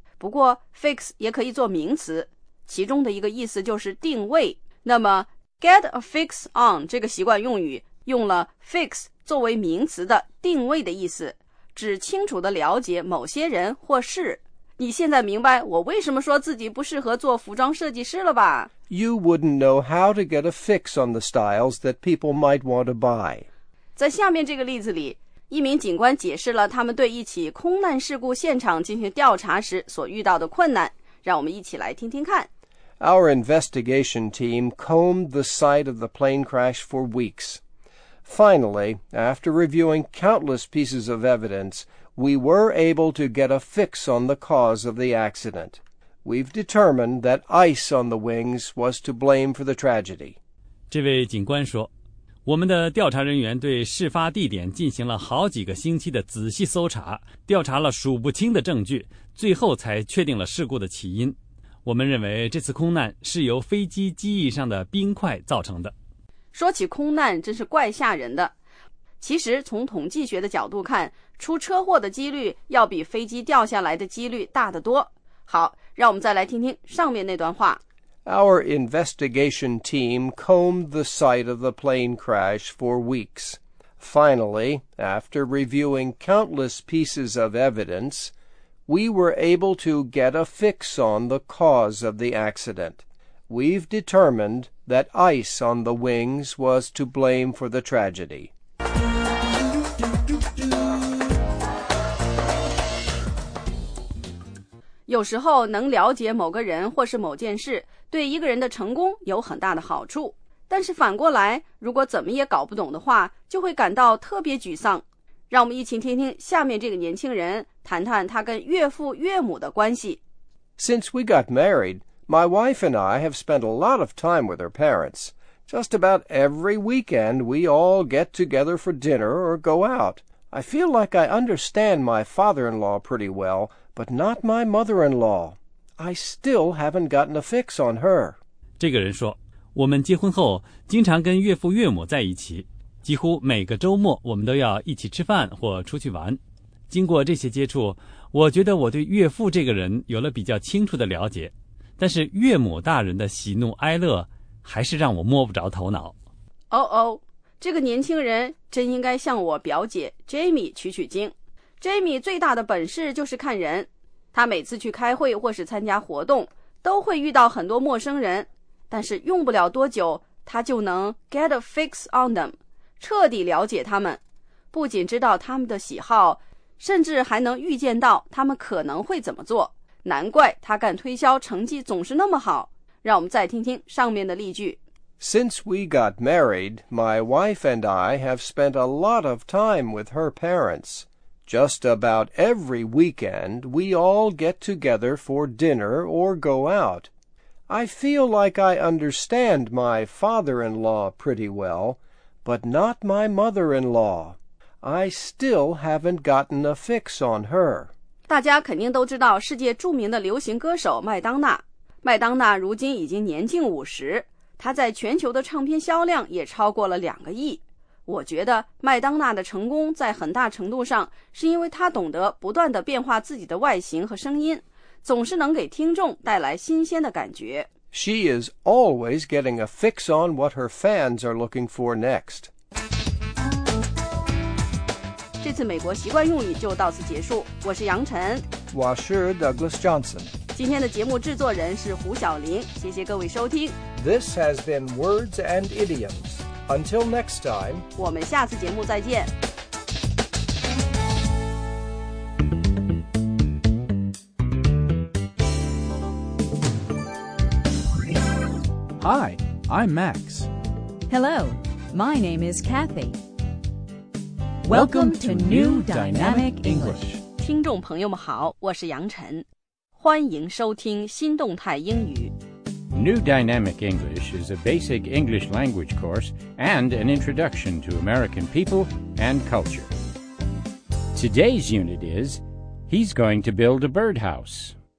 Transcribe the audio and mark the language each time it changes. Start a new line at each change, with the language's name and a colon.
Chinese: 不过 fix 也可以做名词，其中的一个意思就是定位。那么
English: get a fix on
Chinese: 这个习惯用语用了 fix 作为名词的定位的意思，指清楚地了解某些人或事。你现在明白我为什么说自己不适合做服装设计师了吧？
English: You wouldn't know how to get a fix on the styles that people might want to buy.
Chinese: 在下面这个例子里，一名警官解释了他们对一起空难事故现场进行调查时所遇到的困难，让我们一起来听听看。
English: Our investigation team combed the site of the plane crash for weeks. Finally, after reviewing countless pieces of evidence, we were able to get a fix on the cause of the accident. We've determined that ice on the wings was to blame for the tragedy.
Chinese: 这位警官说，我们的调查人员对事发地点进行了好几个星期的仔细搜查，调查了数不清的证据，最后才确定了事故的起因。我们认为这次空难是由飞机机翼上的冰块造成的。说起空难真是怪吓人的。其实从统计学的角度看，出车祸的几率要比飞机掉下来的几率大得多。好，让我们再来听听上面那段话。
English: Our investigation team combed the site of the plane crash for weeks. Finally, after reviewing countless pieces of evidence, we were able to get a fix on the cause of the accident. We've determined that ice on the wings was to blame for the tragedy.
Chinese: 有时候能了解某个人或是某件事对一个人的成功有很大的好处，但是反过来，如果怎么也搞不懂的话，就会感到特别沮丧。让我们一起听听下面这个年轻人谈谈他跟岳父岳母的关系。
English: Since we got married, my wife and I have spent a lot of time with her parents. Just about every weekend, we all get together for dinner or go out. I feel like I understand my father-in-law pretty well, but not my mother-in-law. I still haven't gotten a fix on her.
Chinese: 这个人说，我们结婚后经常跟岳父岳母在一起，几乎每个周末我们都要一起吃饭或出去玩。经过这些接触，我觉得我对岳父这个人有了比较清楚的了解，但是岳母大人的喜怒哀乐还是让我摸不着头脑。哦哦，这个年轻人真应该向我表姐 Jamie 取取经。 Jamie 最大的本事就是看人，他每次去开会或是参加活动，都会遇到很多陌生人，但是用不了多久，他就能
English: get a fix on them，
Chinese: 彻底了解他们，不仅知道他们的喜好，甚至还能预见到他们可能会怎么做。难怪他干推销成绩总是那么好。让我们再听听上面的例句。
English: Since we got married, my wife and I have spent a lot of time with her parents. Just about every weekend, we all get together for dinner or go out. I feel like I understand my father-in-law pretty well, but not my mother-in-law. I still haven't gotten a fix on her.
Chinese: 大家肯定都知道世界著名的流行歌手麦当娜。麦当娜如今已经年近50，她在全球的唱片销量也超过了2亿。我觉得麦当娜的成功在很大程度上是因为她懂得不断地变化自己的外形和声音，总是能给听众带来新鲜的感觉。
English: She is always getting a fix on what her fans are looking for next.
Chinese: 这次美国习惯用语就到此结束，我是杨晨。我是 Douglas Johnson。今天的节目制作人是胡晓玲，谢谢各位收听。
English: This has been Words and Idioms. Until next time,
Chinese: 我们下次节目再见。
English: Hi, I'm Max. Hello, my name is Kathy. Welcome to New Dynamic English.
Chinese: 听众朋友们好，我是杨晨，欢迎收听新动态英语。
English: New Dynamic English is a basic English language course and an introduction to American people and culture. Today's unit is, he's going to build a birdhouse.